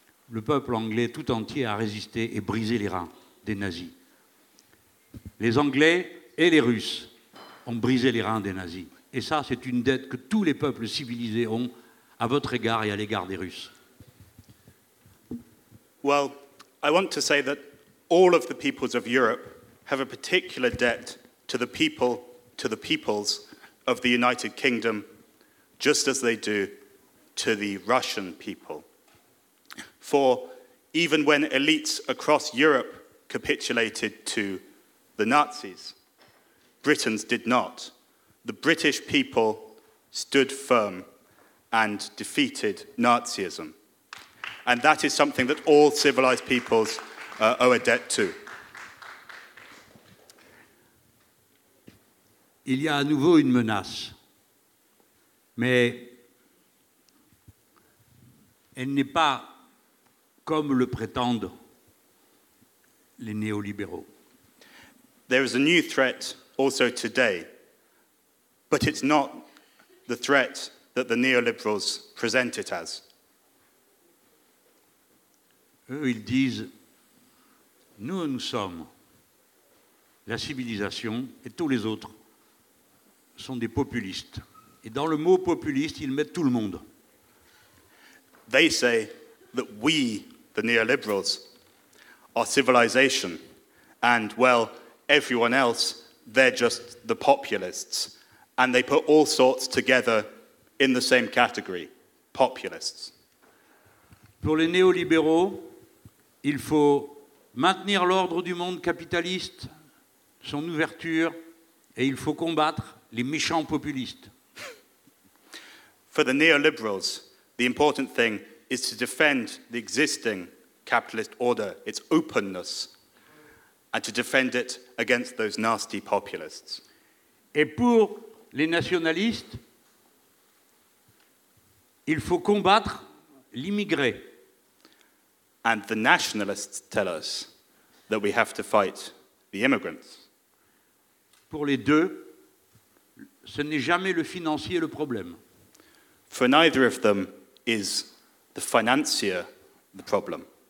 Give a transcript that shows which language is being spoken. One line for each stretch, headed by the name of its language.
French: Le peuple anglais tout entier a résisté et brisé les reins des nazis. Les Anglais et les Russes ont brisé les reins des nazis. Et ça, c'est une dette que tous les peuples civilisés ont à votre égard et à l'égard des Russes.
English: Well, I want to say that all of the peoples of Europe have a particular debt to the people, to the peoples of the United Kingdom, just as they do to the Russian people. For even when elites across Europe capitulated to the Nazis, Britons did not. The British people stood firm and defeated Nazism. And that is something that all civilized peoples owe a debt to.
French: Il y a à nouveau une menace, mais elle n'est pas comme le prétendent les néolibéraux.
English: There is a new threat also today, but it's not the threat that the neoliberals present it as.
French: Eux, ils disent, nous, nous sommes la civilisation et tous les autres sont des populistes. Et dans le mot populiste, ils mettent tout le monde.
English: They say that we, the neoliberals, are civilization. And, well, everyone else, they're just the populists. And they put all sorts together in the same category, populists.
French: Pour les néolibéraux, il faut maintenir l'ordre du monde capitaliste, son ouverture, et il faut combattre les méchants populistes.
English: For the neoliberals, the important thing is to defend the existing capitalist order, its openness, and to defend it against those nasty populists.
French: Et pour les nationalistes, il faut combattre l'immigré.
English: And the nationalists tell us that we have to fight the immigrants.
French: Pour les deux, ce n'est jamais le financier le problème.
English: For neither of them is the financier the problem.